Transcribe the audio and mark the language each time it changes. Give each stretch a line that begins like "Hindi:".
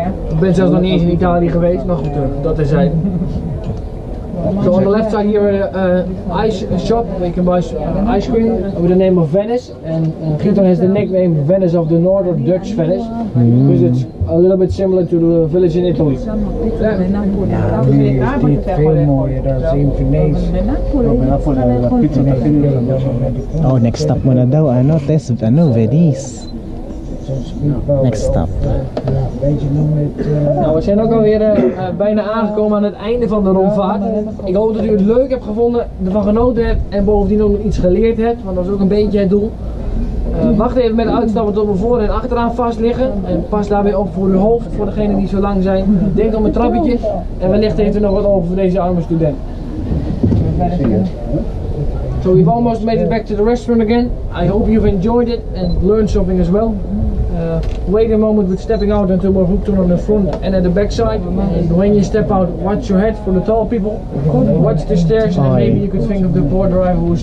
Dutch: Ik ben zelfs nog niet eens in Italië geweest, maar goed, dat is hij.
English: So on the left side here, ice shop, where you can buy ice cream with the name of Venice. And Gieten has the nickname Venice of the North, or Dutch Venice. Because it's a little bit similar to the village in Italy. Yeah, it's
Dutch: veel mooier dan in Venice.
English: Oh, next stop
Filipino: muna daw, ano,
English: test,
Filipino: ano,
English: Venice. Next stop.
Dutch: Nou, we zijn ook alweer bijna aangekomen aan het einde van de rondvaart. Ik hoop dat u het leuk hebt gevonden, ervan genoten hebt en bovendien ook nog iets geleerd hebt, want dat is ook een beetje het doel. Wacht even met uitstappen tot we voor en achteraan vast liggen. En pas daarbij op voor uw hoofd, voor degenen die zo lang zijn. Denk om een trappetje en wellicht heeft u nog wat over voor deze arme student.
English: So we've almost made it back to the restaurant again. I hope you've enjoyed it and learned something as well. wait a moment with stepping out until we're hooked on the front and at the backside. And when you step out, watch your head for the tall people. Watch the stairs and maybe you could think of the poor driver who's